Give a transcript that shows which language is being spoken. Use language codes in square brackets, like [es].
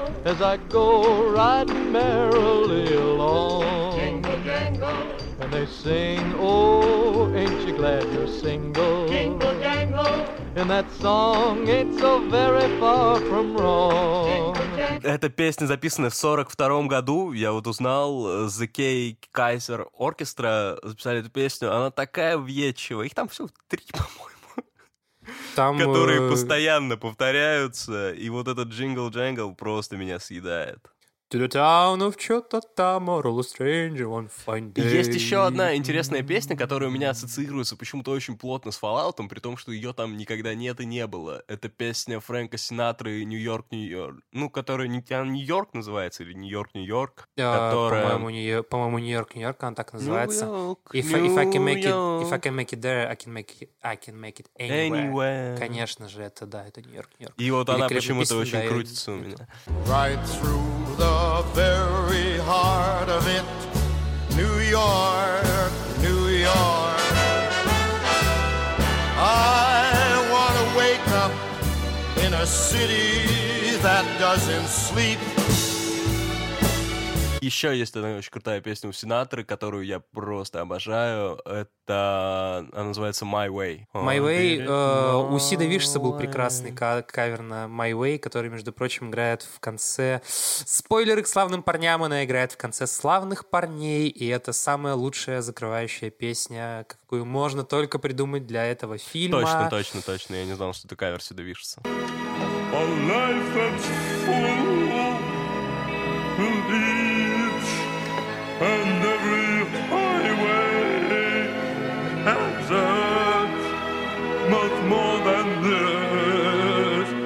[en] As I go riding merrily along. Jingle jangle. And they sing, oh, ain't you glad you're single? Jingle jangle. And that song ain't so very far from wrong. [ru] Эта песня записана в 42-м году, я вот узнал, The K Kaiser Orchestra записали эту песню, она такая въедчивая, их там всего 3, по-моему, там, которые постоянно повторяются, и вот этот джингл-джангл просто меня съедает. [en] To the town of Chotatamo, roll a stranger one fine day. [ru] Есть еще одна интересная песня, которая у меня ассоциируется почему-то очень плотно с Fallout'ом, при том, что ее там никогда нет и не было. Это песня Фрэнка Синатры «Нью-Йорк, Нью-Йорк». Ну, которая «Нью-Йорк» называется, или «Нью-Йорк, Нью-Йорк». Которая... По-моему, «Нью-Йорк, Нью-Йорк», она так называется. [en] If I can make it there, I can make it anywhere. Anywhere. [ru] Конечно же, это «Нью-Йорк, Нью-Йорк». И вот она почему-то песня, очень крутится у меня. [en] Right through the very heart of it, New York, New York. I wanna wake up in a city that doesn't sleep. [ru] Еще есть одна очень крутая песня у Синатры, которую я просто обожаю. Это... Она называется My Way. [en] My Way. [ru] У Сида Вишеса был прекрасный кавер на My Way, который, между прочим, играет в конце... Спойлеры к «Славным парням», она играет в конце «Славных парней», и это самая лучшая закрывающая песня, какую можно только придумать для этого фильма. Точно, точно, точно. Я не знал, что это кавер Сида Вишеса. [en] A life that's full of each and every highway has that much more than this.